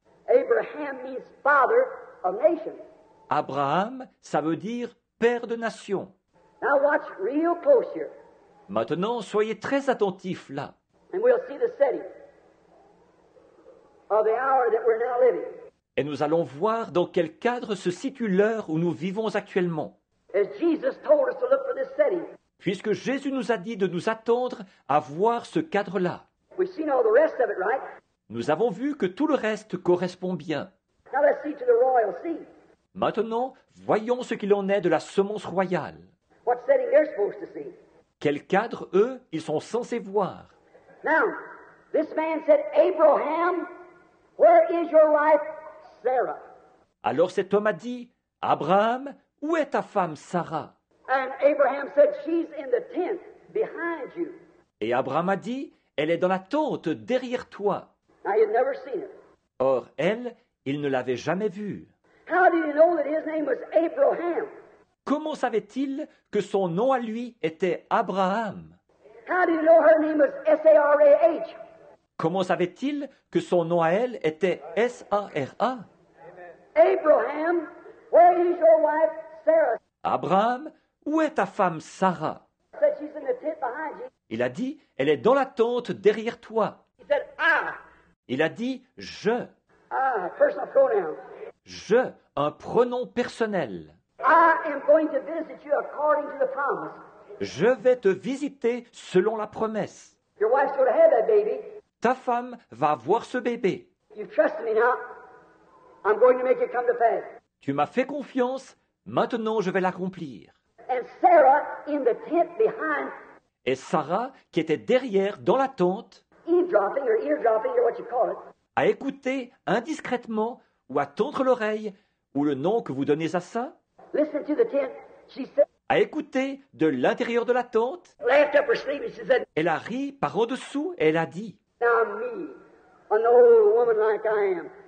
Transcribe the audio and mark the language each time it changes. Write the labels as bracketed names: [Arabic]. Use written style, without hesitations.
[English] Abraham means father of nation. [French] Abraham, ça veut dire père de nation. [English] Now watch real close here. [French] Maintenant, soyez très attentifs là. [English] And we'll see the setting of the hour that we're now living. [French] Et nous allons voir dans quel cadre se situe l'heure où nous vivons actuellement. [English] As Jesus told us to look for this setting. [French] Puisque Jésus nous a dit de nous attendre à voir ce cadre-là. [English] We've seen all the rest of it, right? [French] Nous avons vu que tout le reste correspond bien. [English] Now let's see to the royal seed. [French] Maintenant, voyons ce qu'il en est de la semence royale. [English] What setting they're supposed to see. [French] Quel cadre, eux, ils sont censés voir. [English] Now, this man said, Abraham, where is your wife, Sarah? [French] Alors cet homme a dit, Abraham, où est ta femme, Sarah? [English] And Abraham said, she's in the tent behind you. [French] Et Abraham a dit, elle est dans la tente derrière toi. [English] Now, he had never seen it. [French] Or, elle, il ne l'avait jamais vue. [English] How did he know that his name was Abraham? [French] Comment savait-il que son nom à lui était Abraham? [English] How did he know her name was S-A-R-A-H? [French] Comment savait-il que son nom à elle était S-A-R-A? [English] Abraham, where is your wife Sarah? [French] Abraham, où est ta femme Sarah? [English] He said, she's in the tent behind you. [French] Il a dit, elle est dans la tente derrière toi. [English] He said, ah. [French] Il a dit, je. [English] Ah, personal pronoun. [French] Je, un pronom personnel. [English] I am going to visit you according to the promise. [French] Je vais te visiter selon la promesse. [English] Your wife's going to have that baby. [French] Ta femme va avoir ce bébé. [English] You trust me now. I'm going to make it come to pass. [French] Tu m'as fait confiance. Maintenant, je vais l'accomplir. [English] And Sarah, in the tent behind. [French] Et Sarah, qui était derrière, dans la tente, [English] eavesdropping or eardropping, or what you call it, [French] a écouté indiscrètement ou à tendre l'oreille, ou le nom que vous donnez à ça, [English] listen to the tent, she said, [French] a écouté de l'intérieur de la tente, [English] laughed up her sleeve and she said, [French] elle a ri par en-dessous et elle a dit, [English] now me, an old woman like I am,